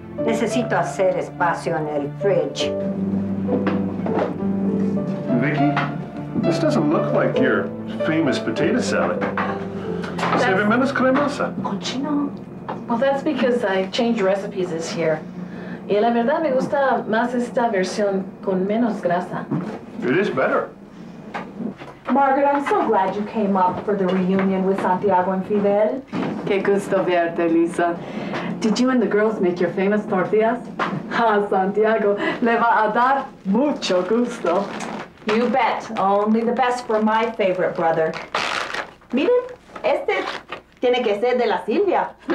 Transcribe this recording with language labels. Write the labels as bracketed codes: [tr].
[es] Necesito hacer espacio en el fridge. [en] Vicky, this doesn't look like your famous potato salad. [es] Seven menos cremosa. Cochino. [en] Well, that's because I changed recipes this year. [es] Y la verdad me gusta más esta versión con menos grasa. [en] It is better. Margaret, I'm so glad you came up for the reunion with Santiago and Fidel. [es] Qué gusto verte, Lisa. [en] Did you and the girls make your famous tortillas? [es] Ah, Santiago, le va a dar mucho gusto. [en] You bet. Only the best for my favorite brother. [es] Miren, este tiene que ser de la Silvia.